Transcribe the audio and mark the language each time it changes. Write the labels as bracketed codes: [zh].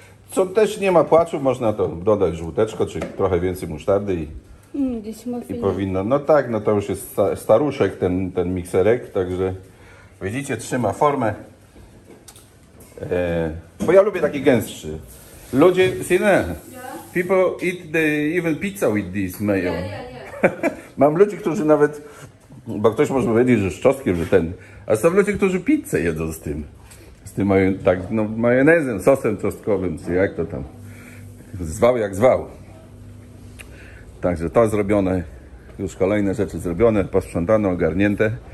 [pl] Co też nie ma płaczu, można to dodać żółteczko, czy trochę więcej musztardy i... Gdzieś i powinno. No tak, no to już jest staruszek ten mikserek, także widzicie, trzyma formę. Bo ja lubię taki gęstszy. Ludzie, [en] Sina, people eat the even pizza with this mayo. [pl] Nie. Mam ludzi, którzy nawet, bo ktoś może powiedzieć, że z czosnkiem, że ten, a są ludzie, którzy pizzę jedzą z tym tak, no, majonezem, sosem czosnkowym, czy jak to tam, zwał jak zwał. Także to zrobione, już kolejne rzeczy zrobione, posprzątane, ogarnięte.